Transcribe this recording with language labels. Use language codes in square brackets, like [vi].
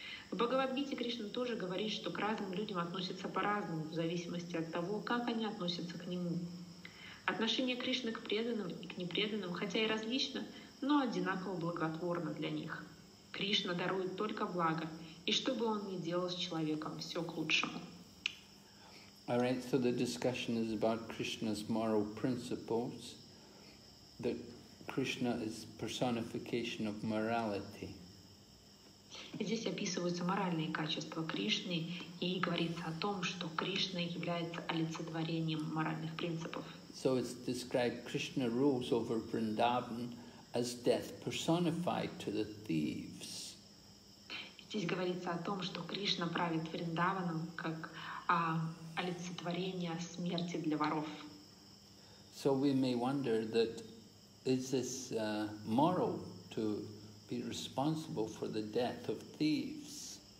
[ru] В Бхагавад-гите Кришна тоже говорит, что к разным людям относятся по-разному, в зависимости от того, как они относятся к нему. Отношение Кришны к преданным и к непреданным, хотя и различно, но одинаково благотворно для них. Кришна дарует только благо, и что бы он ни делал с человеком, все к лучшему. [en] All right, so the discussion is about Krishna's moral principles, that Krishna is personification of morality. [ru] Здесь описываются моральные качества Кришны, и говорится о том, что Кришна является олицетворением моральных принципов. [en] So it's described Krishna rules over Vrindavan as death personified to the thieves. [ru] Здесь говорится о том, что Кришна правит Вриндаваном как олицетворение смерти для воров. [en] So we may wonder that is this moral to be responsible for the death of thieves?